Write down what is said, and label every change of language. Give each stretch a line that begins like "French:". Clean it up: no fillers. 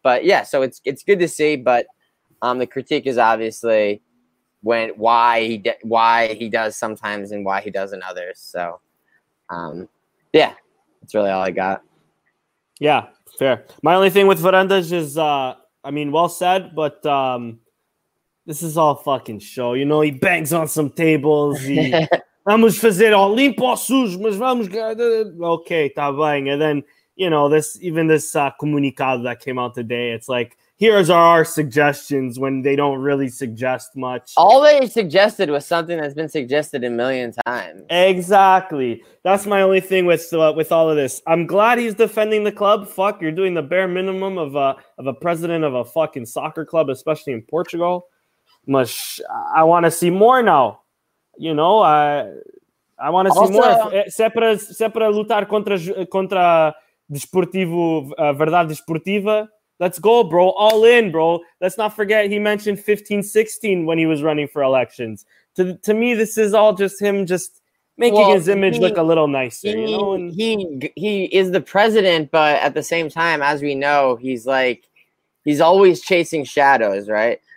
English: But yeah, so it's good to see. But the critique is obviously why he does sometimes and why he doesn't others. So yeah, that's really all I got. Yeah, fair. My only thing with Varandas is, I mean, well said, but. This is all fucking show. You know, he bangs on some tables.
Portuguese: Vamos fazer o limpo sujo, mas vamos... Okay, tá bem.
English: And then, you know, this comunicado that came out today, it's like, here's our suggestions when they don't really suggest much. All they suggested was something that's been suggested a million times. Exactly. That's my only thing with all of this. I'm glad he's defending the club. Fuck, you're doing the bare minimum of a president of a fucking soccer club, especially in Portugal. Much, I want to see more now. You know, I want to see more.
Portuguese: Sempre lutar contra Desportivo, Verdade Desportiva.
English: Let's go, bro. All in, bro. Let's not forget he mentioned 15-16 when he was running for elections. To me, this is all just him just making his image look a little nicer. He is the president, but at the same time, as we know, he's like, he's always chasing shadows, right?